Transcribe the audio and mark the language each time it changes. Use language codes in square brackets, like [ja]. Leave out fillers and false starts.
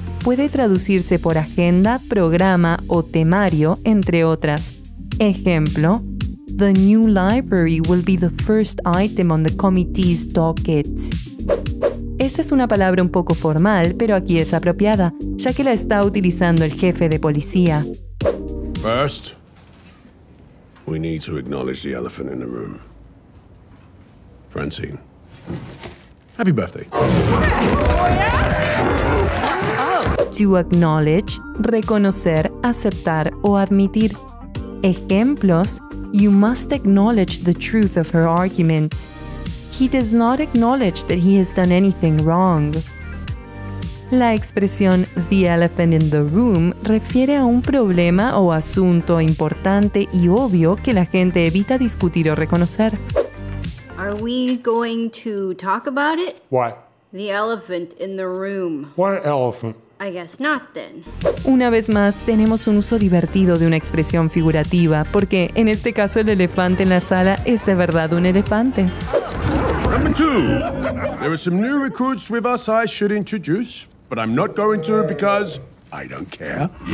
[es] Puede traducirse por agenda, programa o temario, entre otras. [en] Ejemplo, the new library will be the first item on the committee's docket. [es] Esta es una palabra un poco formal, pero aquí es apropiada, ya que la está utilizando el jefe de policía. [en] First, we need to acknowledge the elephant in the room. Francine. Happy birthday. [es] To acknowledge, reconocer, aceptar o admitir. [en] Ejemplos, you must acknowledge the truth of her argument. He does not acknowledge that he has done anything wrong. [es] La expresión [en] the elephant in the room [es] refiere a un problema o asunto importante y obvio que la gente evita discutir o reconocer. [en] Are we going to talk about it? What? The elephant in the room. What elephant? I guess not then. [es] Una vez más, tenemos un uso divertido de una expresión figurativa, porque en este caso el elefante en la sala es de verdad un elefante. [en] Number 2. There are some new recruits with us I should introduce, but I'm not going to because I don't care.